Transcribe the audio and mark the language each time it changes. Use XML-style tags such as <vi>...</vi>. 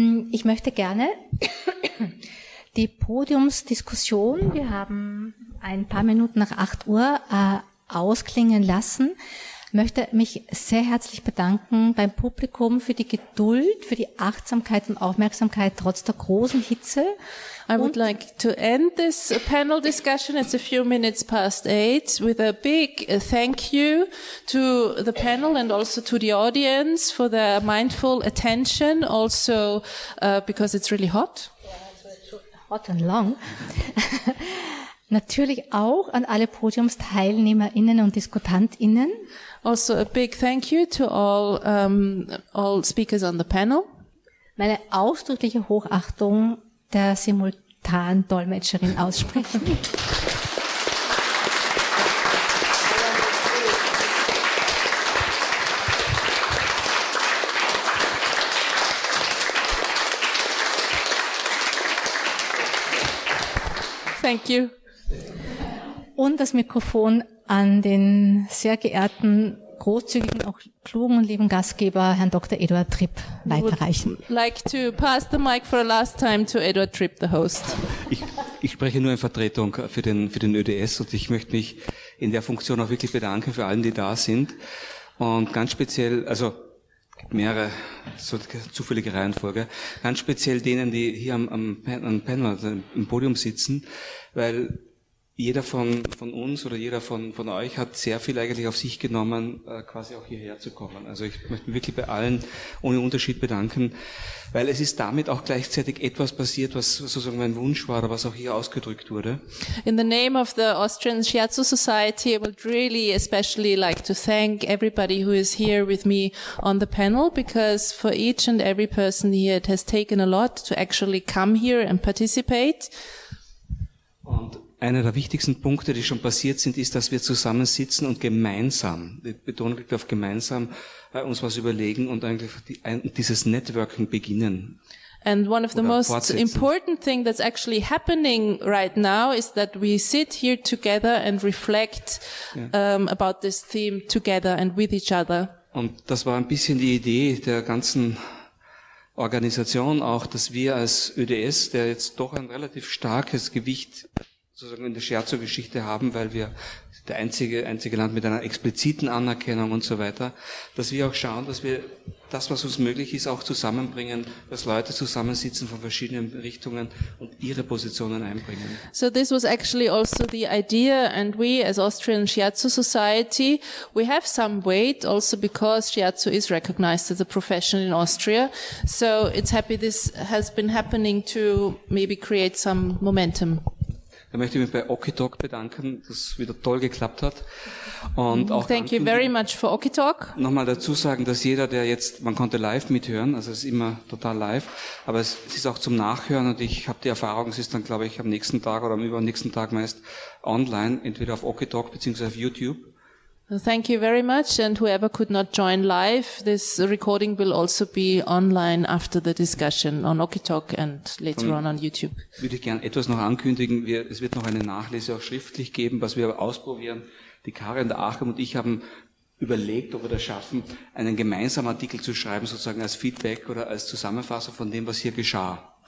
<de>Ich möchte gerne die Podiumsdiskussion, wir haben ein paar Minuten nach 8 Uhr, ausklingen lassen. Möchte mich sehr herzlich bedanken beim Publikum für die Geduld, für die Achtsamkeit und Aufmerksamkeit trotz der großen Hitze.</de> <en>I would like to end this panel discussion. It's a few minutes past 8 with a big thank you to the panel and also to the audience for their mindful attention, also because it's really hot. Hot and long.</en> <de>Natürlich auch an alle PodiumsteilnehmerInnen und DiskutantInnen.</de> <en>Also a big thank you to all speakers on the panel.</en> <de>Meine ausdrückliche Hochachtung der Simultandolmetscherin aussprechen.</de> <en>Thank you.</en> <de>Und das Mikrofon an den sehr geehrten, großzügigen, auch klugen und lieben Gastgeber, Herrn Dr. Eduard Tripp, weiterreichen.</de> <en>I would like to pass the mic for a last time to Eduard Tripp, the host.</en> <de>Ich spreche nur in Vertretung für den ÖDS und ich möchte mich in der Funktion auch wirklich bedanken für allen, die da sind. Und ganz speziell, also mehrere so zufällige Reihenfolge, ganz speziell denen, die hier am Panel, also im Podium sitzen, weil jeder von uns oder jeder von euch hat sehr viel eigentlich auf sich genommen, quasi auch hierher zu kommen. Also ich möchte mich wirklich bei allen ohne Unterschied bedanken, weil es ist damit auch gleichzeitig etwas passiert, was sozusagen mein Wunsch war, was auch hier ausgedrückt wurde.</de> <en>In the name of the Austrian Shiatsu Society, I would really especially like to thank everybody who is here with me on the panel, because for each and every person here, it has taken a lot to actually come here and participate.</en> <de>Und einer der wichtigsten Punkte, die schon passiert sind, ist, dass wir zusammensitzen und gemeinsam, die Betonung liegt auf gemeinsam, uns was überlegen und eigentlich dieses Networking beginnen.</de> <en>And one of the most important things that's actually happening right now is that we sit here together and reflect about this theme together and with each other.</en> <de>Und das war ein bisschen die Idee der ganzen Organisation auch, dass wir als ÖDS, der jetzt doch ein relativ starkes Gewicht sozusagen in der Scherzo-Geschichte haben, weil wir der einzige Land mit einer expliziten Anerkennung und so weiter, dass wir auch schauen, dass wir das, was uns möglich ist, auch zusammenbringen, dass Leute zusammensitzen von verschiedenen Richtungen und ihre Positionen einbringen.</de> <en>So this was actually also the idea, and we as Austrian Shiatsu Society, we have some weight also because Shiatsu is recognized as a profession in Austria. So it's happy this has been happening to maybe create some momentum.</en> <de>Da möchte ich mich bei OkiTalk bedanken, dass es wieder toll geklappt hat. Und auch</de> <en>thank you very much for OkiTalk.</en> <de>Nochmal dazu sagen, dass jeder, der jetzt, man konnte live mithören, also es ist immer total live, aber es ist auch zum Nachhören und ich habe die Erfahrung, es ist dann, glaube ich, am nächsten Tag oder am übernächsten Tag meist online, entweder auf OkiTalk beziehungsweise auf YouTube.</de> <en>Thank you very much and whoever could not join live, this recording will also be online after the discussion on OkiTalk and later on on YouTube.</en> <de>Würde ich gerne etwas noch ankündigen, es wird noch eine Nachlese auch schriftlich geben, was wir ausprobieren. Die Karin, der Achim und ich haben überlegt, ob wir das schaffen, einen gemeinsamen Artikel zu schreiben, sozusagen als Feedback oder als Zusammenfassung von dem, was hier geschah.</de>